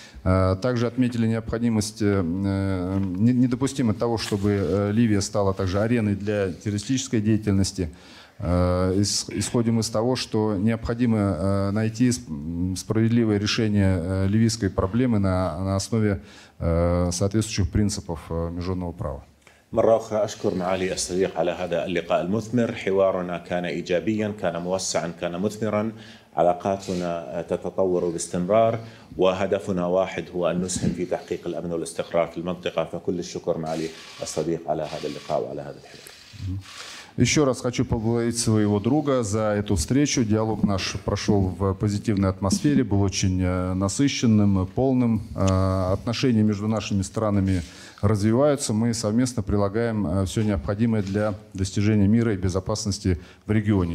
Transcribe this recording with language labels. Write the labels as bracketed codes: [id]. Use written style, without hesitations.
[ru] Также отметили необходимость недопустимо того, чтобы Ливия стала также ареной для террористической деятельности. Исходим из того, что необходимо найти справедливое решение ливийской проблемы на основе соответствующих принципов международного права. [ar] مرة أخرى أشكر معالي الصديق على هذا اللقاء المثمر. حوارنا كان إيجابيا، كان موسعا، كان مثمرا. علاقاتنا تتطور باستمرار، وهدفنا واحد هو أن نسهم في تحقيق الأمن والاستقرار في المنطقة. فكل الشكر معالي الصديق على هذا اللقاء وعلى هذا الحوار. [ru] Еще раз хочу поблагодарить своего друга за эту встречу. Диалог наш прошел в позитивной атмосфере, был очень насыщенным, полным. Отношения между нашими странами развиваются. Мы совместно прилагаем все необходимое для достижения мира и безопасности в регионе.